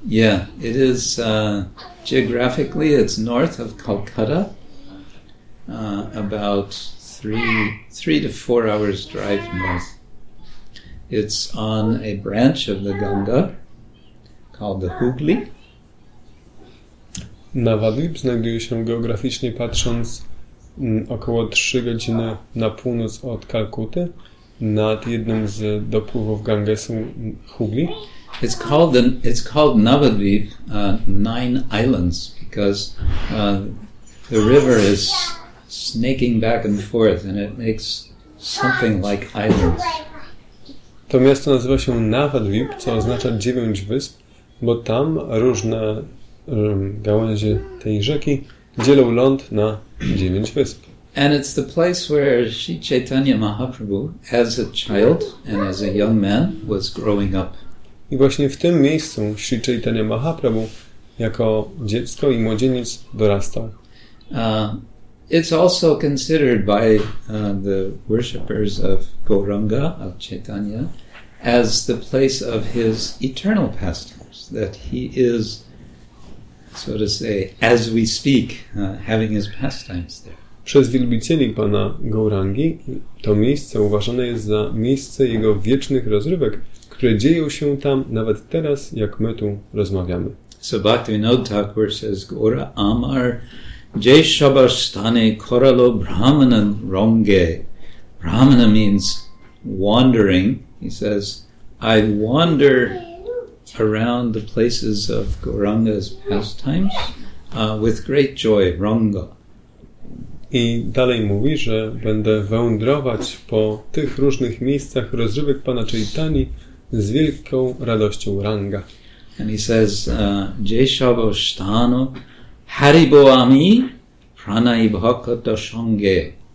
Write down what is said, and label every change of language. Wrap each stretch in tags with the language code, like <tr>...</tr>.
<en>Yeah, it is geographically it's north of Calcutta. About three to four hours drive north. It's on a branch of the Ganga. called the Hooghly.</en> <pl>Navadvip znajduje się geograficznie patrząc około 3 godziny na północ od Kalkuty, nad jednym z dopływów Gangesu Hooghly.</pl> <en>It's called Navadvip, Nine Islands, because the river is snaking back and forth and it makes something like islands.</en> <pl>To miasto nazywa się Navadvip, co oznacza dziewięć wysp, bo tam różne gałęzie tej rzeki dzielą ląd na dziewięć wysp.</pl> <en>And it's the place where Sri Chaitanya Mahaprabhu, as a child and as a young man, was growing up.</en> <pl>I właśnie w tym miejscu Sri Chaitanya Mahaprabhu jako dziecko i młodzieniec dorastał.</pl> <en>It's also considered by the worshippers of Gauranga, of Chaitanya, as the place of his eternal pastimes, that he is, so to say, as we speak, having his pastimes there.</en> <pl>Przez wielbicieli pana Gaurangi to miejsce uważane jest za miejsce jego wiecznych rozrywek, które dzieją się tam nawet teraz, jak my tu rozmawiamy.</pl> <en>So Bhaktivinoda Thakur says,</en> <bn>Gaura Amar Jeshabashtane Koralo Brahmanan Ronge.</bn> <en>Brahmana means wandering. He says, I wander around the places of Gauranga's pastimes with great joy, Ronga.</en> <pl>I dalej mówi, że będę wędrować po tych różnych miejscach rozrywek pana Chaitani z wielką radością, Ranga.</pl> <en>And he says,</en> <bn>Jeshabashtano Haribo ami pranaibhakata shange.</bn>